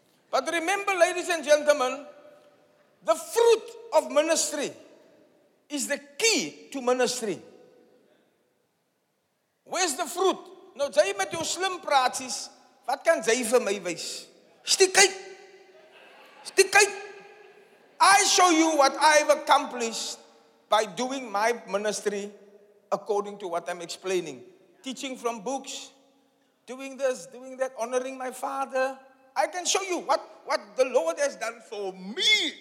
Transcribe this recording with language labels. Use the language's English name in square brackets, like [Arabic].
[English] But remember, ladies and gentlemen, the fruit of ministry is the key to ministry. Where's the fruit? [Afrikaans] Nou, jy met jou slim praatjies, wat kan jy vir my wys? Stikheid. [English] I show you what I've accomplished by doing my ministry according to what I'm explaining. Teaching from books, doing this, doing that, honoring my father. I can show you what the Lord has done for me.